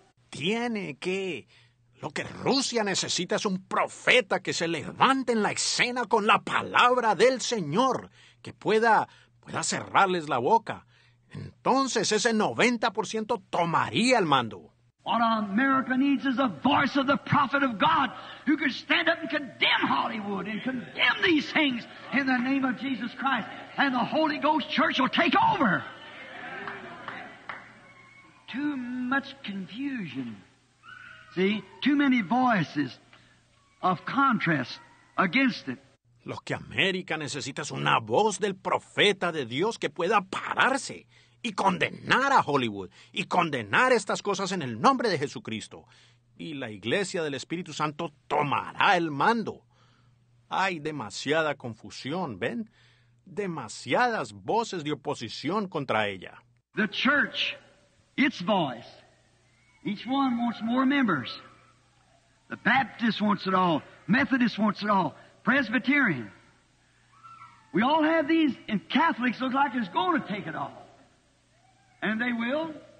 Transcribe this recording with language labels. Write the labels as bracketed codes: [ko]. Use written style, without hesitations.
[es] Tiene que. Lo que Rusia necesita es un profeta que se levante en la escena con la palabra del Señor, que pueda cerrarles la boca. Entonces ese 90% tomaría el mando. [en] What America needs is a voice of the prophet of God who could stand up and condemn Hollywood and condemn these things in the name of Jesus Christ, and the Holy Ghost Church will take over. Too much confusion. See, too many voices of contrast against it. [es] Lo que América necesita es una voz del profeta de Dios que pueda pararse y condenar a Hollywood, y condenar estas cosas en el nombre de Jesucristo. Y la Iglesia del Espíritu Santo tomará el mando. Hay demasiada confusión, ¿ven? Demasiadas voces de oposición contra ella. [en] The church, its voice. Each one wants more members. The Baptist wants it all. Methodist wants it all. Presbyterian. We all have these, and Catholics look like it's going to take it all. And they will.